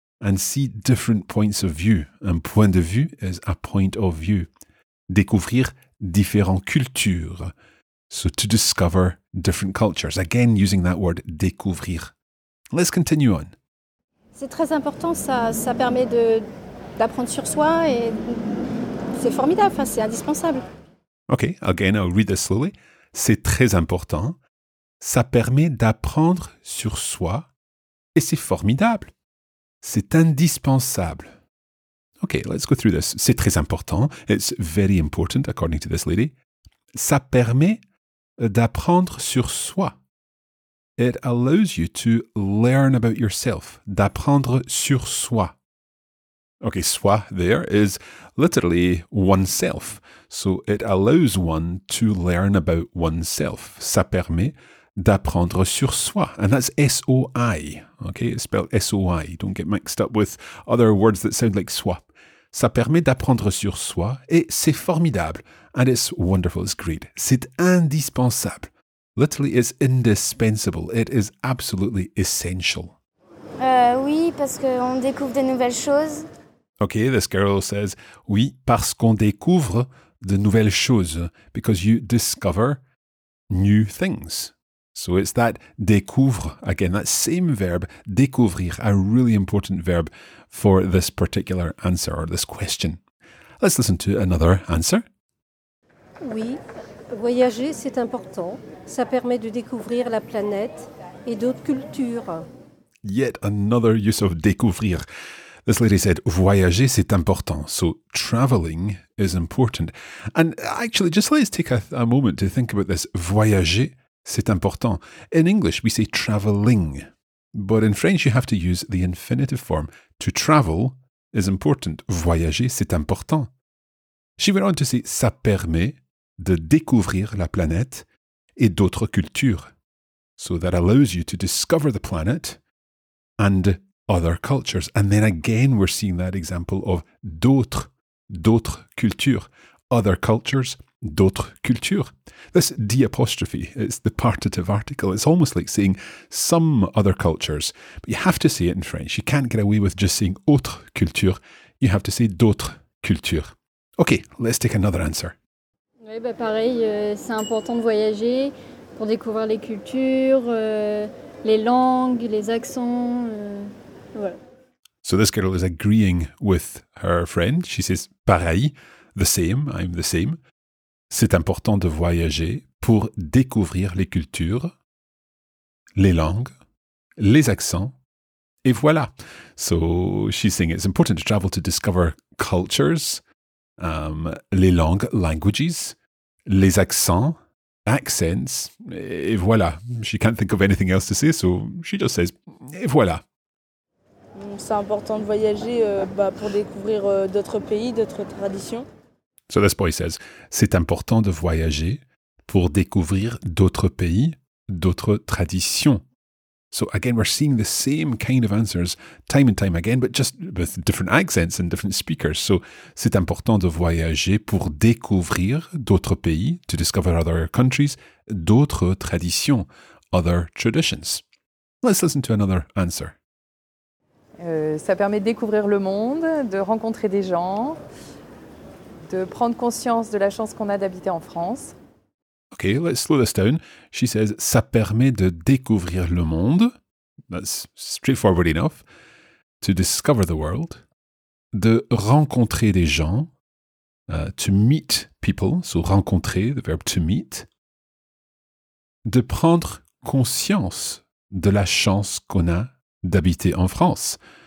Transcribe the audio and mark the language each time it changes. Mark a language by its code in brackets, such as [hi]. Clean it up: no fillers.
[en] And see different points of view. [fr] Un point de vue [en] is a point of view. [fr] Découvrir différentes cultures. [en] So to discover different cultures. Again, using that word, découvrir. Let's continue on. [fr] C'est très important, ça permet d'apprendre sur soi et c'est formidable, enfin, c'est indispensable. [en] OK, again, I'll read this slowly. [fr] C'est très important, ça permet d'apprendre sur soi et c'est formidable. C'est indispensable. [en] OK, let's go through this. [fr] C'est très important. [en] It's very important, according to this lady. [fr] Ça permet d'apprendre sur soi. [en] It allows you to learn about yourself, [fr] d'apprendre sur soi. [en] OK, soi there is literally oneself. So it allows one to learn about oneself. [fr] Ça permet d'apprendre sur soi. [en] And that's S-O-I. OK, it's spelled S-O-I. Don't get mixed up with other words that sound like soi. [fr] Ça permet d'apprendre sur soi et c'est formidable. [en] And it's wonderful, it's great. [fr] C'est indispensable. [en] Literally, it's indispensable. It is absolutely essential. [fr] Oui, parce qu'on découvre de nouvelles choses. [en] OK, this girl says, [fr] oui, parce qu'on découvre de nouvelles choses. [en] Because you discover new things. So it's that découvre, again, that same verb, découvrir, a really important verb for this particular answer or this question. Let's listen to another answer. [fr] Oui, voyager, c'est important. Ça permet de découvrir la planète et d'autres cultures. [en] Yet another use of découvrir. This lady said, [fr] voyager, c'est important. [en] So traveling is important. And actually, just let's take a moment to think about this. [fr] Voyager, c'est important. [en] In English, we say traveling. But in French, you have to use the infinitive form. To travel is important. [fr] Voyager, c'est important. [en] She went on to say, [fr] ça permet de découvrir la planète et d'autres cultures. [en] So that allows you to discover the planet and other cultures. And then again, we're seeing that example of d'autres cultures. Other cultures, [fr] d'autres cultures. [en] This D apostrophe, it's the partitive article. It's almost like saying some other cultures. But you have to say it in French. You can't get away with just saying autres cultures. You have to say d'autres cultures. OK, let's take another answer. [fr] Oui, bah pareil, c'est important de voyager pour découvrir les cultures, les langues, les accents, voilà. [en] So this girl is agreeing with her friend. She says, pareil, the same, I'm the same. [fr] C'est important de voyager pour découvrir les cultures, les langues, les accents, et voilà. [en] So she's saying it's important to travel to discover cultures, [fr] les langues, [en] languages. [fr] Les accents, accents, et voilà. [en] She can't think of anything else to say, so she just says, et voilà. [fr] C'est important de voyager pour découvrir d'autres pays, d'autres traditions. [en] So this boy says, [fr] c'est important de voyager pour découvrir d'autres pays, d'autres traditions. [en] So again, we're seeing the same kind of answers time and time again, but just with different accents and different speakers. [fr] So c'est important de voyager pour découvrir d'autres pays, [en] to discover other countries, [fr] d'autres traditions, [en] other traditions. Let's listen to another answer. [fr] Ça permet de découvrir le monde, de rencontrer des gens, de prendre conscience de la chance qu'on a d'habiter en France. [en] OK, let's slow this down. She says, [fr] ça permet de découvrir le monde. [en] That's straightforward enough. To discover the world. [fr] De rencontrer des gens. [en] to meet people, so rencontrer, the verb to meet. [fr] De prendre conscience de la chance qu'on a d'habiter en France.